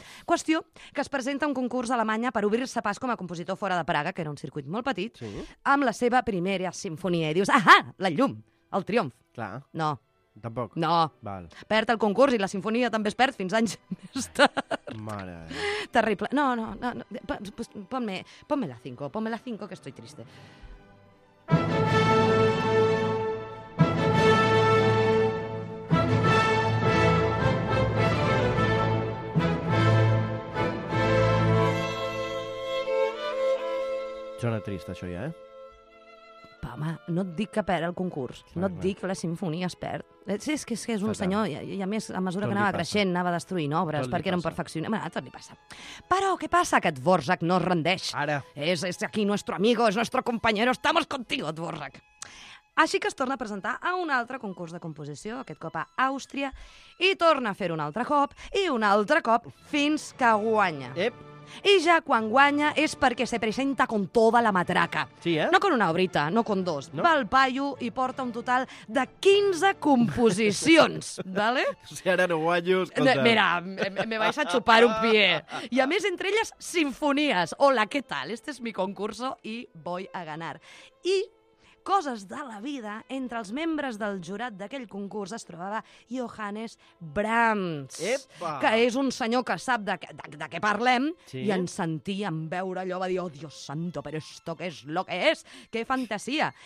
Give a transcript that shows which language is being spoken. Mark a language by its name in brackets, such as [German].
[Catalan] Qüestió que es presenta un concurs a Alemanya per obrir-se pas com a compositor fora de Praga, que era un circuit molt petit, sí, amb la seva primera sinfonia. I dius, ahà, la llum, el triomf. Clar. No. Tampoc. No. Val. Perd el concurs i la sinfonia també es perd fins anys més tard. Mare. Terrible. No. [Spanish] Ponme la 5, que estoy triste. [Catalan] Sona trist, això ja, Pa, home, no et dic que perd el concurs. Clar, no et dic que la sinfonia es perd. És que és un senyor, i a més, a mesura que anava creixent, anava destruint obres perquè era un perfeccionista. Tot li passa. Però què passa? Que Dvořák no es rendeix. Ara. [Spanish] És aquí nuestro amigo, es nuestro compañero. Estamos contigo, Dvořák. [Catalan] Així que es torna a presentar a un altre concurs de composició, aquest cop a Àustria, i torna a fer un altre cop, i un altre cop, fins que guanya. Ep. I ja quan guanya és perquè [Spanish] se presenta con toda la matraca. [Catalan] Sí, eh? [Spanish] No con una obrita, no con dos. [Catalan] No? Va al paio i porta un total de 15 composicions, ¿vale? Si ara no guanyo, escolta. [Spanish] Mira, me vais a chupar un pie. [Catalan] I a més, entre elles, sinfonies. [Spanish] Hola, ¿qué tal? Este es mi concurso y voy a ganar. [Catalan] I coses de la vida, entre els membres del jurat d'aquell concurs es trobava Johannes Brahms. Epa. Que és un senyor que sap de què parlem, sí, i en sentir, en veure allò, va dir, [Spanish] oh, Dios santo, [Catalan] però [Spanish] esto que es lo que es, que fantasia.